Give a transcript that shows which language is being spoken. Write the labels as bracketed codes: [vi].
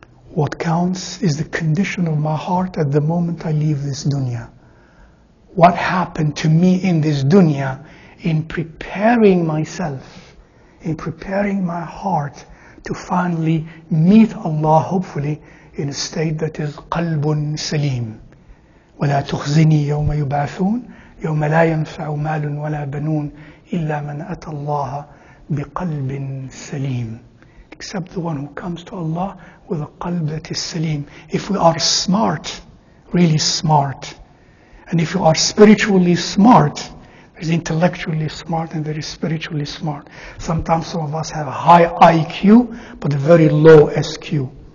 [en] What counts is the condition of my heart at the moment I leave this dunya. What happened to me in this dunya in preparing myself, in preparing my heart to finally meet Allah, hopefully, in a state that is qalbun salim. [ar] وَلَا تُخْزِنِي يَوْمَ يُبَعْثُونَ يوم لا ينفع مال ولا بنون إلا من أتى الله بقلب سليم. [en] Except the one who comes to Allah with a qalb that is salim. If we are smart, really smart, and if you are spiritually smart, there's intellectually smart and there is spiritually smart. Sometimes some of us have a high IQ but a very low SQ.